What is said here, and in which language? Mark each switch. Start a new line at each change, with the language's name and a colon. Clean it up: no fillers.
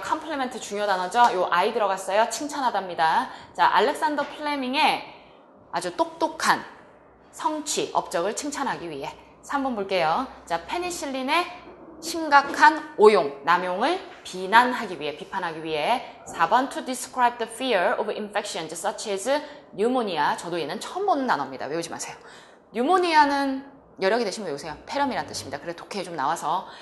Korean: 컴플리멘트 중요 단어죠? 요 I 들어갔어요. 칭찬하답니다. 자, 알렉산더 플레밍의 아주 똑똑한 성취, 업적을 칭찬하기 위해. 3번 볼게요. 자, 페니실린의 심각한 오용, 남용을 비난하기 위해, 비판하기 위해.
English: 4번, to describe the fear of infections such as pneumonia.
Korean: 저도 얘는 처음 보는 단어입니다. 외우지 마세요. pneumonia는 여력이 되시면 외우세요. 폐렴이란 뜻입니다. 그래, 독해에 좀 나와서.